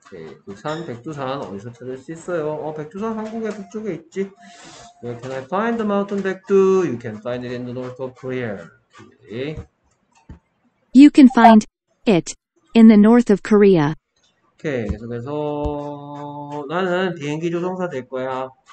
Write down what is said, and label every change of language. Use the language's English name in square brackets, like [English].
[Korean] 오케이, 그 산, 백두산 어디서 찾을 수 있어요? 백두산 한국의 북쪽에 있지? [English] Where can I find the mountain 백두? You can find it in the north of Korea. [Korean] 오케이. [English] You can find it in the north of Korea. [Korean] 오케이, 계속해서 나는 비행기 조종사 될 거야.